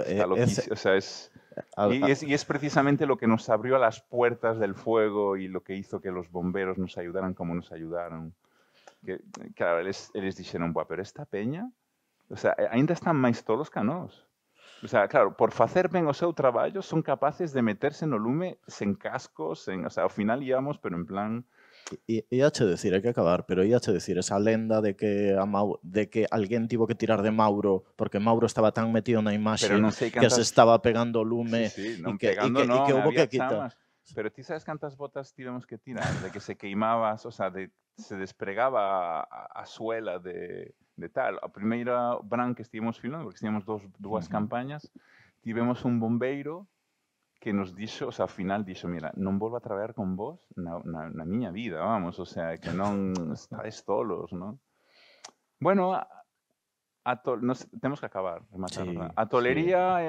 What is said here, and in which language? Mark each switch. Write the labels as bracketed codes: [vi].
[es] está loquísimo, es precisamente lo que nos abrió las puertas del fuego y lo que hizo que los bomberos nos ayudaran como nos ayudaron. Que, claro, ellos dijeron, buah, pero esta peña, o sea, [gl] ainda están máis tolos que nós. O sea, claro, por facer ben o seu traballo, son capaces de meterse no lume sen cascos, o sea, ao final íamos, pero en plan... [es] Hay que acabar, pero [gl] esa lenda de que alguén tivo que tirar de Mauro, porque Mauro estaba tan metido na imaxe no que se estaba pegando o lume e que houve que quitar. Pero ti sabes cantas botas tivemos que tirar? De que se queimabas, o sea, se despregaba a suela de tal. A primeira brand que estivemos filmando, porque estivemos dúas campañas, tivemos un bombeiro que nos dixo, o sea, ao final dixo, mira, non volvo a traballar con vos na miña vida, vamos, o sea, que non estáis tolos, ¿no? Bueno, temos que acabar, rematar, sí, a tolería, sí.